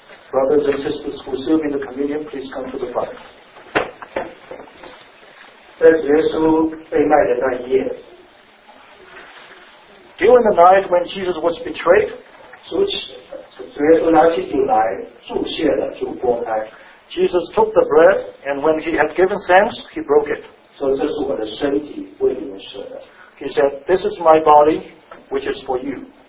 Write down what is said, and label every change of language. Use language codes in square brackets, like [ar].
[en] Brothers and sisters who serve in the communion, please come to the front. [zh] 在主耶稣被卖的那一夜, [en] during the night when Jesus was betrayed, [zh] 主耶稣拿起饼来祝谢了, [en] Jesus took the bread, and when he had given thanks, he broke it. [zh] 说这是我的身体, [en] he said, this is my body, which is for you.